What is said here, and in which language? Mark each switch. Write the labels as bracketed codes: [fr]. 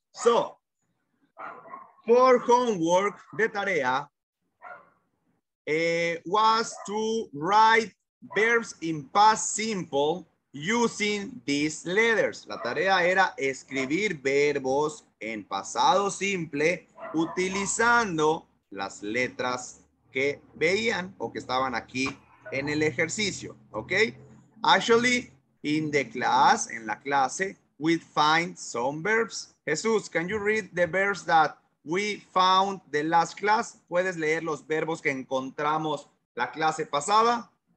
[en] So, for homework, the tarea was to write verbs in past simple using these letters. [es] La tarea era escribir verbos en pasado simple utilizando las letras que veían o que estaban aquí en el ejercicio, ¿ok? [en] Actually, in the class, [es] en la clase, [en] we find some verbs. Jesús, can you read the verbs that we found the last class? [es] ¿Puedes leer los verbos que encontramos la clase pasada?